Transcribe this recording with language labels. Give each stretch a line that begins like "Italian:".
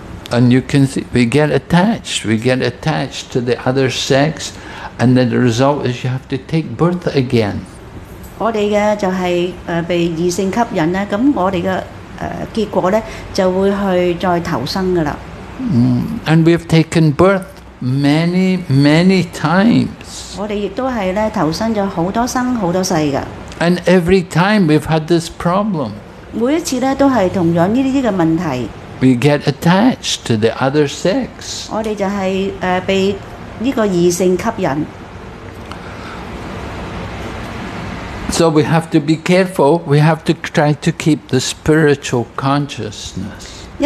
English: And you can see, we get attached to the other sex, and then the result is you have to take birth again.
Chinese: 我們的就是被異性吸引，那我們的結果就會去再投生了。
English: And we have taken birth many, many times.
Chinese: 我們也是投生了很多生很多世的。
English: And every time we've had this problem.
Chinese: 每一次都是同樣這些問題。
English: We get attached to the other sex.
Chinese: 我們就是被這個異性吸引。
English: So we have to be careful. We have to try to keep the spiritual consciousness.